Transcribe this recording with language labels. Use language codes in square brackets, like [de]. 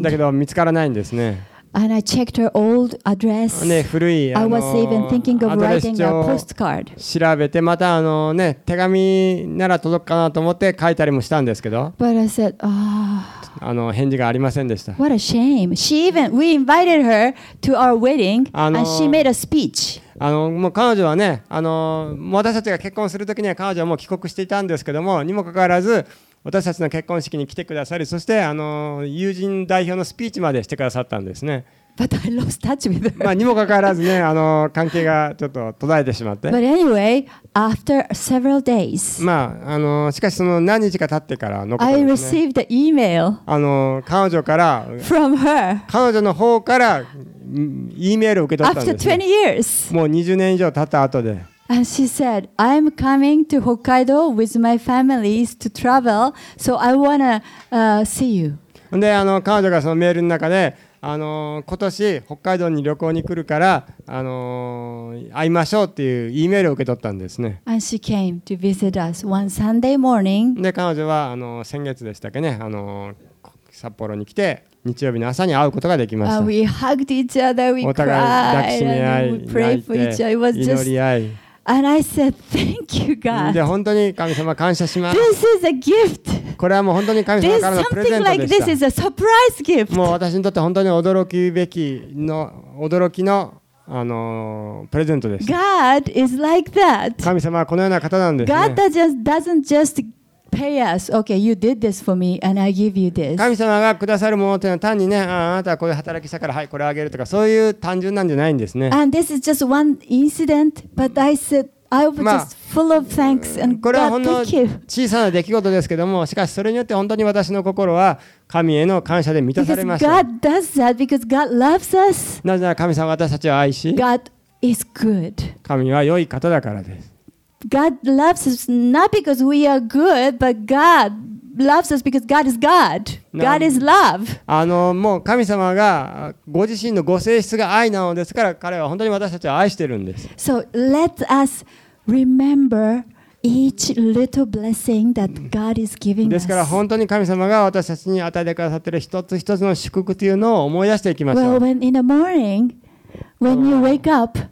[ja] だけど見つからないんですね。 [en] And I checked her old address. [ja] ね、古い、 [en] I was even thinking of writing a postcard. [ja] 調べて、また手紙なら届くかなと思って書いたりもしたんですけど。 [en] But I said, oh. [ja] 返事がありませんでした。 [en] What a shame. We invited her to our wedding, and she made a speech. [ja] もう彼女はね、私たちが結婚するときには彼女はもう帰国していたんですけども、にもかかわらず、私たちの結婚式に来てくださり、そして友人代表のスピーチまでしてくださったんですね。 [en] But I lost touch with her. [ja] にもかかわらずね、関係がちょっと途絶えてしまって。 [en] But anyway, after several days, [ja] しかしその何日か経ってからのことですね。 [en] I received an email. [ja] 彼女から。 [en] From her. [ja] 彼女の方から E メールを受け取ったんです、ね。 [en] After 20 years. [ja] もう20年以上経った後で。 [en] And she said, "I'm coming to Hokkaido with my family to travel, so I wanna see you." [ja] で、彼女がそのメールの中で、今年北海道に旅行に来るから、会いましょうっていう E メールを受け取ったんですね。 [en] And she came to visit us one Sunday morning. [ja] で、彼女は先月でしたっけね、札幌に来て。日曜日の朝に会うことができました。 [en] We hugged each other, we cried, [ja] お互い抱きしめ合い、泣いて、祈り合い。 [en] And I said, thank you, God. [ja] で、本当に神様感謝します。 [en] This is a gift. [ja] これはもう本当に神様からのプレゼントでした。 [en] This is a surprise gift. [ja] もう私にとって本当に驚きべきの、驚きの、プレゼントです。 [en] God is like that. [ja] 神様はこのような方なんですね。 [en] God doesn't just Pay us. Okay, you did this for me, and I give you this. [ja] 神様がくださるものというのは単にね、あなたはこういう働きしたからはいこれあげるとかそういう単純なんじゃないんですね。 [en] And this is just one incident, but I said I was just full of thanks and God, thank you. [ja] これはほんの小さな出来事ですけども、しかしそれによって本当に私の心は神への感謝で満たされました。 [en] Because God does that because God loves us. [ja] なぜなら神様は私たちを愛し、 [en] God is good. [ja] 神は良い方だからです。 [en] God loves us not because we are good, but God loves us because God is God. God is love. [ja] あのもう神様がご自身のご性質が愛なのですから彼は本当に私たちを愛しているんです。 [en] So let us remember each little blessing that God is giving us. [ja] ですから本当に神様が私たちに与えてくださっている一つ一つの祝福というのを思い出していきましょう。 [en] Well, when in the morning, when you wake up,